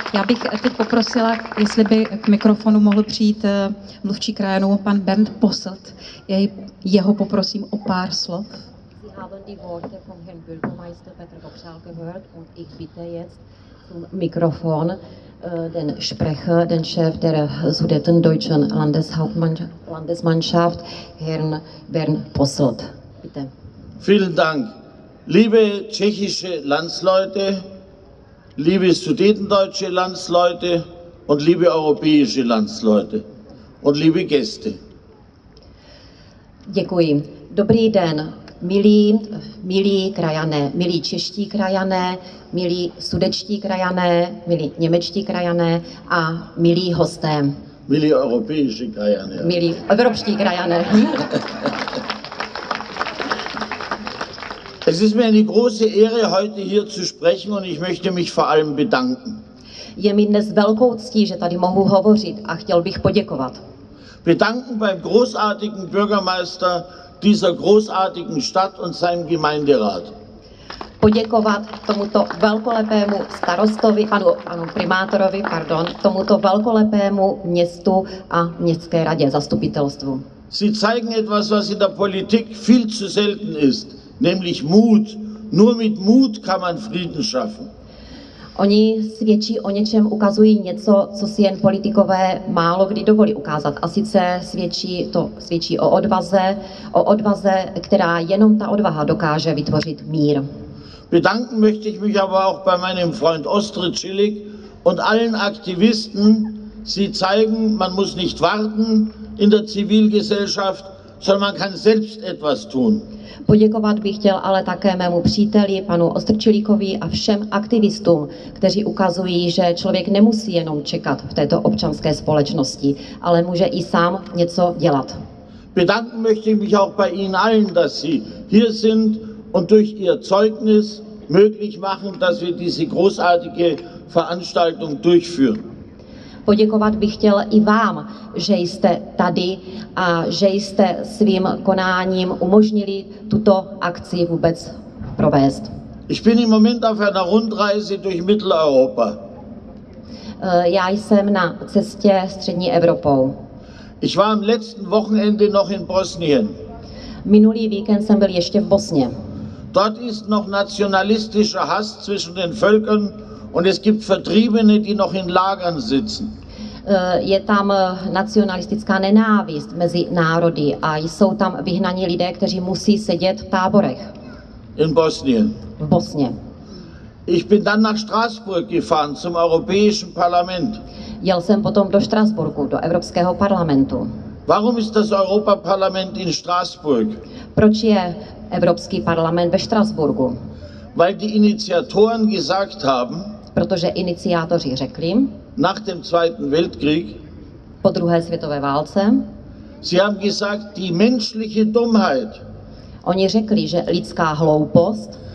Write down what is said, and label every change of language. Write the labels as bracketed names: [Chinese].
[Czech] Já bych teď poprosila, jestli by k mikrofonu mohl přijít mluvčí krajanů pan Bernd Posselt. Já jeho poprosím o pár slov. [German] Sie haben die Worte von Herrn Bürgermeister Petr Vokřál gehört und ich bitte jetzt zum Mikrofon den Sprecher, den Chef der Sudetendeutschen Landesmannschaft, Herrn Bernd Posselt. Bitte. Vielen Dank. Liebe tschechische Landsleute, liebe sudetendeutsche Landsleute und liebe europäische Landsleute und liebe Gäste. [Czech] Děkuji. Dobrý den, milí krajané, milí čeští krajané, milí sudečtí krajané, milí němečtí krajané a milí hosté. Milí europäische krajané. Milí evropští krajané. [German] Es ist mir eine große Ehre, heute hier zu sprechen und ich möchte mich vor allem bedanken. [Czech] Je mi dnes velkou ctí, že tady mohu hovořit a chtěl bych poděkovat. [German] Bedanken beim großartigen Bürgermeister dieser großartigen Stadt und seinem Gemeinderat. [Czech] Poděkovat tomuto velkolepému starostovi, panu primátorovi, pardon, tomuto velkolepému městu a městské radě zastupitelstvu. [German] Sie zeigen etwas, was in der Politik viel zu selten ist. Nämlich Mut. Nur mit Mut kann man Frieden schaffen. [Czech] Oni svědčí o něčem, ukazují něco, co si jen politikové málo kdy dovolí ukázat. A sice svědčí o odvaze, která jenom ta odvaha dokáže vytvořit mír. [German] Bedanken möchte ich mich aber auch bei meinem Freund Ostrid Schillig und allen Aktivisten. Sie zeigen, man muss nicht warten in der Zivilgesellschaft, sondern man kann selbst etwas tun. [Czech] Poděkovat bych chtěl ale také mému příteli, panu Ostrčilíkovi a všem aktivistům, kteří ukazují, že člověk nemusí jenom čekat v této občanské společnosti, ale může i sám něco dělat. [German] Bedanken möchte ich mich auch bei Ihnen allen, dass Sie hier sind und durch Ihr Zeugnis möglich machen, dass wir diese großartige Veranstaltung durchführen. [Czech] Poděkovat bych chtěl i vám, že jste tady a že jste svým konáním umožnili tuto akci vůbec provést. [German] Ich bin im Moment auf einer Rundreise durch Mitteleuropa. [Czech] Já jsem na cestě střední Evropou. [German] Ich war am letzten Wochenende noch in Bosnien. [Czech] Minulý víkend jsem byl ještě v Bosně. [German] Dort ist noch nationalistischer Hass zwischen den Völkern. Und es gibt Vertriebene, die noch in Lagern sitzen. [Czech] Je tam nacionalistická nenávist mezi národy a jsou tam vyhnaní lidé, kteří musí sedět v táborech. [German] In Bosnien. [Czech] V Bosně. [German] Ich bin dann nach Straßburg gefahren zum Europäischen Parlament. [Czech] Jel jsem potom do Štrasburku, do Evropského parlamentu. [German] Warum ist das Europaparlament in Straßburg? [Czech] Proč je Evropský parlament ve Štrasburku? [German] Weil die Initiatoren gesagt haben, [Czech] protože iniciátoři řekli, [German] nach dem Zweiten Weltkrieg, [Czech] po druhé světové válce, [German] sie haben gesagt, die menschliche Dummheit, [Czech] oni řekli, že lidská hloupost,